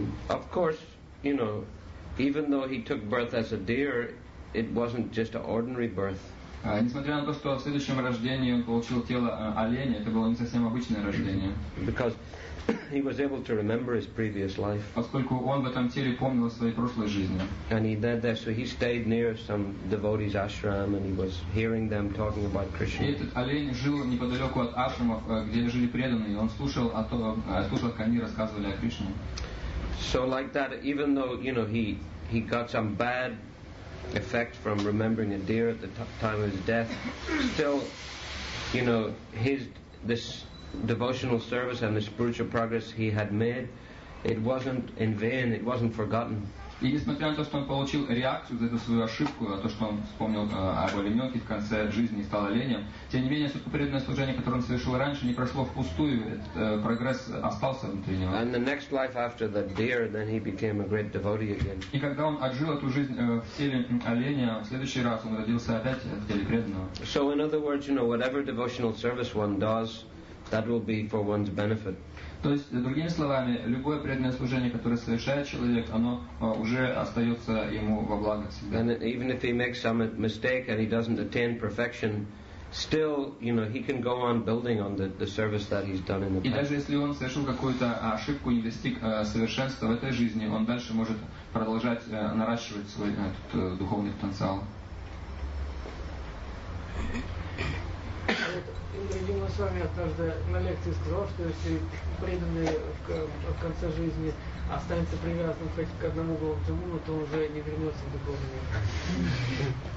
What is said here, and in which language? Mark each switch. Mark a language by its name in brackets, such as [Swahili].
[English] Of course, you know, even though he took birth as a deer, it wasn't just an ordinary birth. [Russian] Несмотря на то, что в следующем рождении он получил тело оленя, это было не совсем обычное рождение. [English] Because he was able to remember his previous life. [Russian] Поскольку он в этом теле помнил о своей прошлой жизни. [English] And he lived there, so he stayed near some devotees' ashram, and he was hearing them talking about Krishna. [Russian] И этот олень жил неподалеку от ашрамов, где жили преданные. Он слушал, как они рассказывали о Кришне. [English] So like that, even though you know he got some bad effect from remembering a deer at the time of his death, still, you know, this devotional service and the spiritual progress he had made, it wasn't in vain, it wasn't forgotten. [Russian] И несмотря на то, что он получил реакцию за эту свою ошибку, за то, что он вспомнил об олененке в конце жизни и стал оленем, тем не менее, все преданное служение, которое он совершил раньше, не прошло впустую, прогресс остался внутри него. [English] And the next life after the deer, then he became a great devotee again. [Russian] И когда он отжил эту жизнь в теле оленя, в следующий раз он родился опять в теле преданного. [English] So in other words, you know, whatever devotional service one does, that will be for one's benefit. [Russian] То есть, другими словами, любое преданное служение, которое совершает человек, оно уже остается ему во благо себе. [English] And even if he makes some mistake and he doesn't attain perfection, still, you know, he can go on building on the service that he's done in the past. [Russian] И даже если он совершил какую-то ошибку, не достиг совершенства в этой жизни, он дальше может продолжать наращивать свой этот духовный потенциал. Индрадима с вами однажды на лекции сказал, что если преданный в конце жизни останется привязанным хоть к одному Голубцемуну, то он уже не вернется в духовный мир.